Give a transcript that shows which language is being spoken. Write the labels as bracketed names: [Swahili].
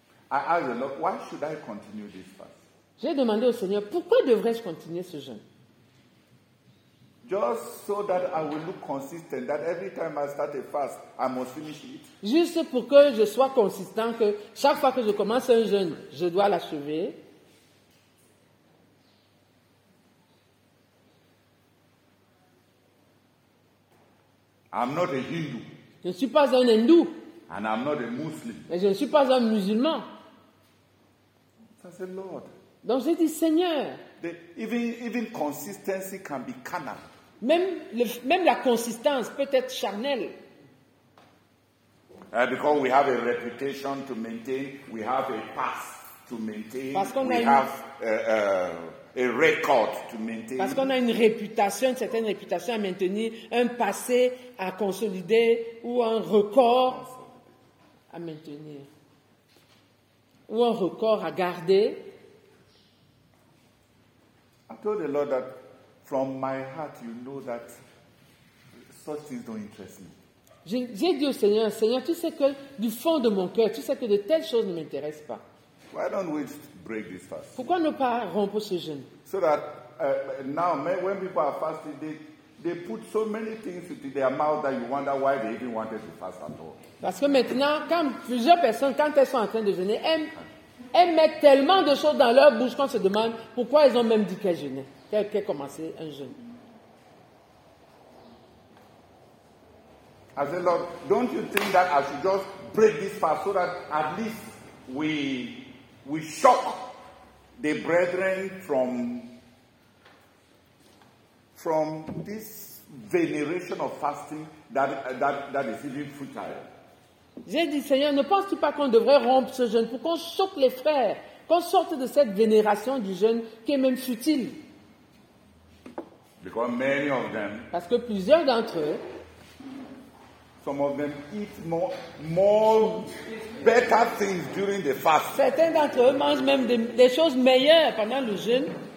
[English] I asked the Lord, why should I continue this fast? [French] J'ai demandé au Seigneur, pourquoi devrais-je continuer ce jeûne? [English] Just so that I will look consistent, that every time I start a fast, I must finish it. [French] Juste pour que je sois consistant, que chaque fois que je commence un jeûne, je dois l'achever. [English] I'm not a Hindu. [French] Je ne suis pas un hindou. [English] And I'm not a Muslim. [French] Mais je ne suis pas un musulman. [English] I said, Lord. [French] Donc j'ai dit, Seigneur. [English] Even consistency can be carnal. [French] Même la consistance peut être charnelle. [English] Because we have a reputation to maintain, we have a past to maintain, [French] parce qu'on [English] we [French] a une... [English] have a record to maintain. [French] Parce qu'on a une réputation, une certaine réputation à maintenir, un passé à consolider ou un record à maintenir. Ou un record à garder. [English] I told the Lord that from my heart, you know that such things don't interest me. [French] J'ai dit au Seigneur, Seigneur, tu sais que du fond de mon cœur, tu sais que de telles choses ne m'intéressent pas. [English] Why don't we break this fast? [French] Pourquoi ne pas rompre ce jeûne? [English] So that now, when people are fasting, they put so many things into their mouth that you wonder why they even wanted to fast at all. [French] Parce que maintenant, quand plusieurs personnes, quand elles sont en train de jeûner, elles elles mettent tellement de choses dans leur bouche qu'on se demande pourquoi elles ont même dit qu'elles jeûnaient, qu'elles commençaient un jeûne. [English] I said, Lord, don't you think that I should just break this fast so that at least we shock the brethren from this veneration of fasting that is even futile. [French] J'ai dit, Seigneur, ne penses-tu pas qu'on devrait rompre ce jeûne pour qu'on choque les frères, qu'on sorte de cette vénération du jeûne qui est même futile? [English] Because many of them, [French] parce que plusieurs d'entre eux, [English] some of them eat more better things during the fast. [French] Certains d'entre eux mangent même des choses meilleures pendant le jeûne.